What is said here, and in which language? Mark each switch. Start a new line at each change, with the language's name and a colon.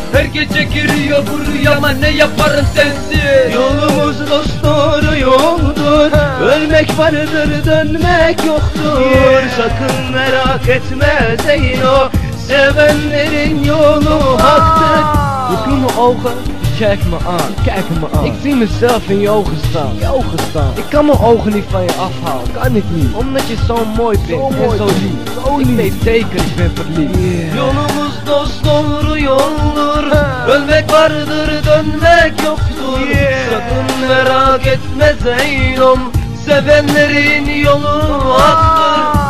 Turkish: Her gece giriyor bu rüyama, ne yaparım sensiz. Yolumuz dost doğru yoldur. Ölmek vardır dönmek yoktur. Sakın merak etme Zeyno. Sevenlerin yolu haktır. Yıklı mı oğul?
Dutch: Kijk me aan, kijk me aan. Ik zie mezelf in je ogen staan, je ogen staan. Ik kan mijn ogen niet van je afhalen, kan ik niet. Omdat je zo mooi bent, zo en mooi zo lief. Zo lief. Ik weet zeker, ik ben verliefd. Yeah.
Turkish: Yolumuz dost doğru yoldur. Ölmek vardır, dönmek yoktur. Sakın merak etme Zeynom. Sevenlerin yolu haktır.